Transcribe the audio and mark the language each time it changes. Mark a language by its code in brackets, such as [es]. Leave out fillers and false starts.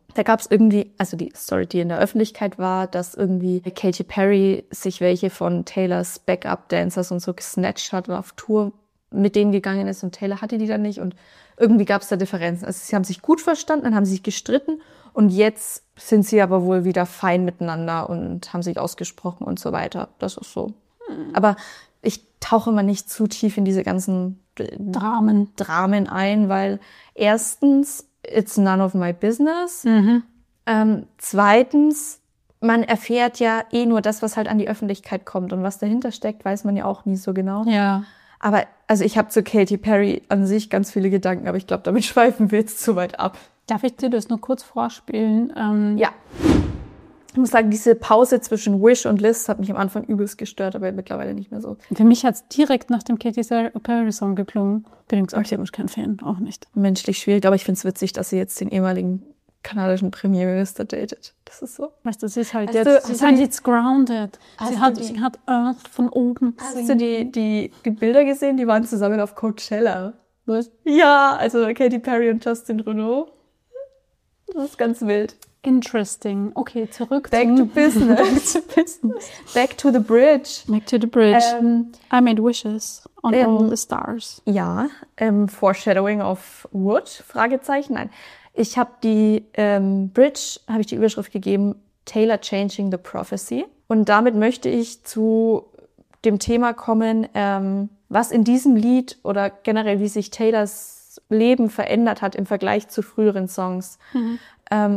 [de] Da gab es irgendwie, also die Story, die in der Öffentlichkeit war, dass irgendwie Katy Perry sich welche von Taylors Backup-Dancers und so gesnatcht hat und auf Tour mit denen gegangen ist und Taylor hatte die dann nicht. Und irgendwie gab es da Differenzen. Also sie haben sich gut verstanden, dann haben sie sich gestritten und jetzt sind sie aber wohl wieder fein miteinander und haben sich ausgesprochen und so weiter. Das ist so. Aber ich tauche immer nicht zu tief in diese ganzen Dramen ein, weil erstens, [en] it's none of my business. [de] Mhm. Zweitens, man erfährt ja eh nur das, was halt an die Öffentlichkeit kommt. Und was dahinter steckt, weiß man ja auch nie so genau. Ja. Aber also ich habe zu Katy Perry an sich ganz viele Gedanken, aber ich glaube, damit schweifen wir jetzt zu weit ab. Darf ich dir das nur kurz vorspielen? Ja. Ich muss sagen, diese Pause zwischen Wish und List hat mich am Anfang übelst gestört, aber mittlerweile nicht mehr so. Für mich hat es direkt nach dem Katy Perry-Song geklungen. Übrigens auch, ich kein Fan, auch nicht. Menschlich schwierig, aber ich finde es witzig, dass sie jetzt den ehemaligen kanadischen Premierminister datet. Das ist so. Weißt du, sie ist halt jetzt grounded. Sie hat Earth von oben. Hast du die Bilder gesehen? Die waren zusammen auf Coachella. Was? Ja, also Katy Perry und Justin Trudeau. Das ist ganz wild. Interesting. Okay, zurück [en] back to business. Back to business. Back to the bridge. Back to the bridge. I made wishes on all the stars. [de] Ja, [en] foreshadowing of wood? [de] Fragezeichen. Nein, ich habe die Bridge, habe ich die Überschrift gegeben, Taylor changing the prophecy. Und damit möchte ich zu dem Thema kommen, was in diesem Lied oder generell wie sich Taylors Leben verändert hat im Vergleich zu früheren Songs. Mhm.